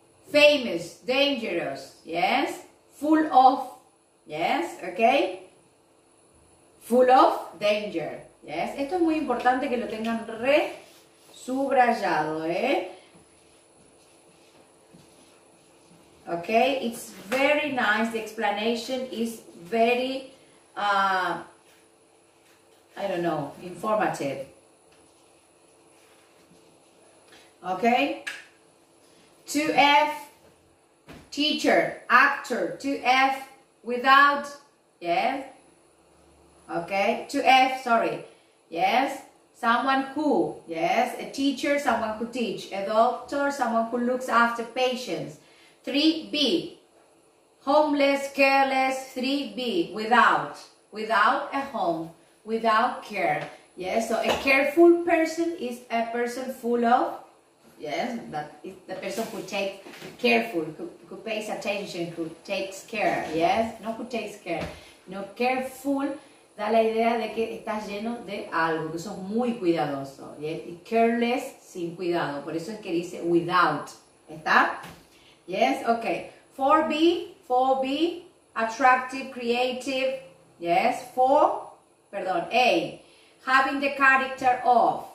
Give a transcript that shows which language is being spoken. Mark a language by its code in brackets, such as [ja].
[en] Famous, dangerous, yes. Full of, yes, ok. Full of danger. Yes. [es] Esto es muy importante que lo tengan re subrayado, ¿eh? [en] Okay. It's very nice. The explanation is very, I don't know, informative. Okay. 2F, teacher, actor. 2F, without. Yes. Okay, 2F, sorry, yes, someone who, yes, a teacher, someone who teach, a doctor, someone who looks after patients. 3B, homeless, careless, 3B, without a home, without care, yes, so a careful person is a person full of, yes, that is the person who takes, careful, who pays attention, who takes care, yes, not who takes care, no, careful. [es] Da la idea de que estás lleno de algo, que sos muy cuidadoso. [en] Yes? [es] Careless, sin cuidado. Por eso es que dice without. ¿Está? [en] Yes, ok. 4B, 4B, attractive, creative. Yes, 4, [es] perdón, [en] A, having the character of.